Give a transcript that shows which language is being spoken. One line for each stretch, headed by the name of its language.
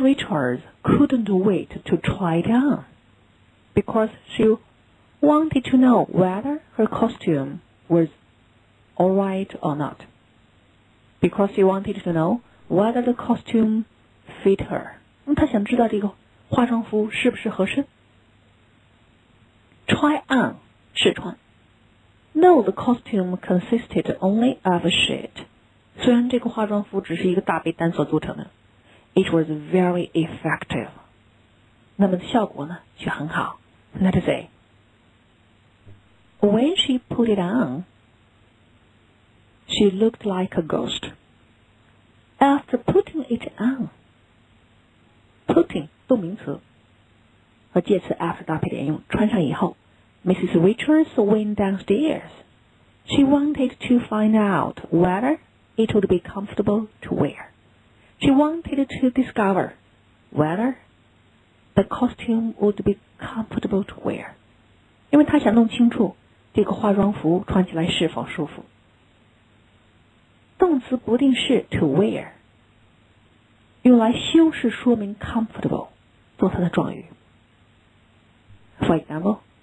English: Richards couldn't wait to try it on because she wanted to know whether her costume was. Alright or not. Because she wanted to know whether the costume fit her.
Chinese: 她想知道这个化妆服是不是合身。
English: Try on,
Chinese: 试穿。
English: No, the costume consisted only of a sheet.
Chinese: 虽然这个化妆服只是一个大被单所组成的。
English: It was very effective.
Chinese: 那么效果呢却很好。
English: Let's say, when she put it on,She looked like a ghost. After putting it on,
Chinese: putting, 动名词和介词 after 搭配连用，穿上以后
English: Mrs. Richards went downstairs. She wanted to find out whether it would be comfortable to wear. She wanted to discover whether the costume would be comfortable to wear.
Chinese: 因为她想弄清楚这个化妆服穿起来是否舒服。动词不定式 to wear 用来修饰说明 comfortable 做它的状语
English: For example